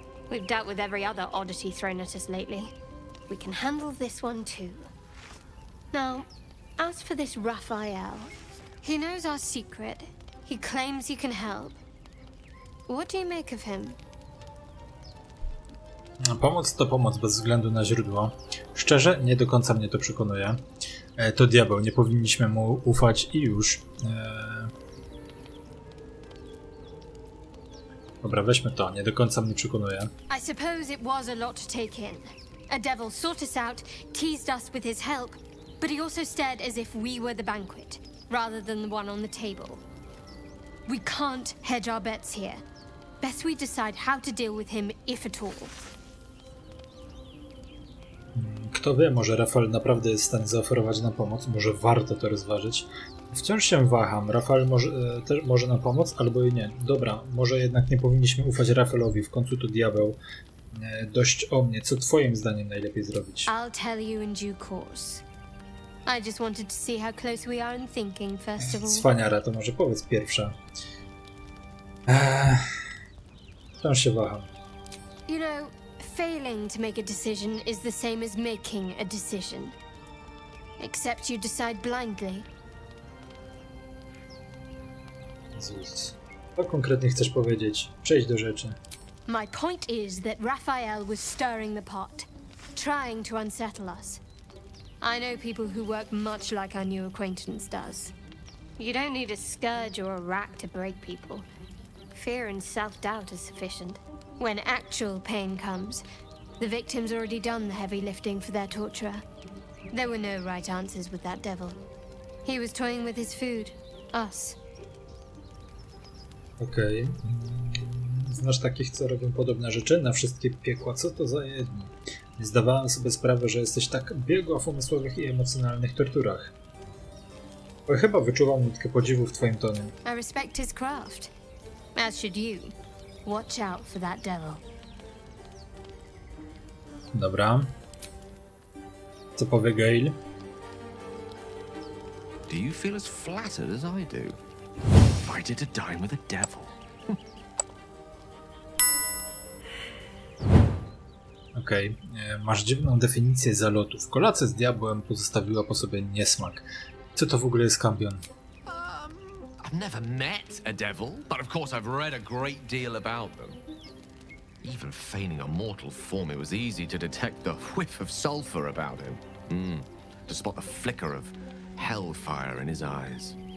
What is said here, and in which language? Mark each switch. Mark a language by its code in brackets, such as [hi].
[en] We've dealt with every other oddity thrown at us lately. We can handle this one too. Now, as for this Raphael, he knows our secret. He claims he can help. What do you make of him? [pl] Pomoc to pomoc bez względu na źródło. Szczerze, nie do końca mnie to przekonuje. To diabeł, nie powinniśmy mu ufać i już. Dobra, weźmy to, nie do końca mnie przekonuje. [en] I suppose it was a lot to take in. A devil sought us out, teased us with his help, but he also stared as if we were the banquet, rather than the one on the table. We can't hedge our bets here. Best we decide how to deal with him, if at all. [pl] Kto wie, może Rafael naprawdę jest w stanie zaoferować nam pomoc, może warto to rozważyć. Wciąż się waham, Rafael może nam pomóc, albo i nie. Dobra, może jednak nie powinniśmy ufać Rafaelowi, w końcu to diabeł. Dość o mnie, co twoim zdaniem najlepiej zrobić? [en] I'll tell you in due course. I just wanted to see how close we are in thinking, first of all. [pl] Cwaniara, to może powiedz pierwsza. Wciąż się waham. [en] You know, failing to make a decision is the same as making a decision. Except you decide blindly. [pl] Jezus. Co konkretnie chcesz powiedzieć? Przejdź do rzeczy. [en] My point is that Raphael was stirring the pot, trying to unsettle us. I know people who work much like our new acquaintance does. You don't need a scourge or a rack to break people. Fear and self-doubt are sufficient. When actual pain comes, the victim's already done the heavy lifting for their torturer. There were no right answers with that devil. He was toying with his food, us. [pl] Okej. Okay. Znasz takich, co robią podobne rzeczy na wszystkie piekła? Co to za jedni? Nie zdawałem sobie sprawy, że jesteś tak biegła w umysłowych i emocjonalnych torturach. Bo chyba wyczuwam nutkę podziwu w twoim tonie. [en] I respect his craft. As should you. Watch out for that devil. [pl] Dobra. Co powie Gail? [en] Do you feel as flattered as I do? Fight it to dine with a devil. [pl] Okej, okay. Masz dziwną definicję zalotów. Kolacja z diabłem pozostawiła po sobie niesmak. Co to w ogóle jest kambion? [en] I've never met a devil, but of course I've read a great deal about them. Even feigning a mortal form, it was easy to detect the whiff of sulfur about him. To spot the flicker of hellfire in his eyes.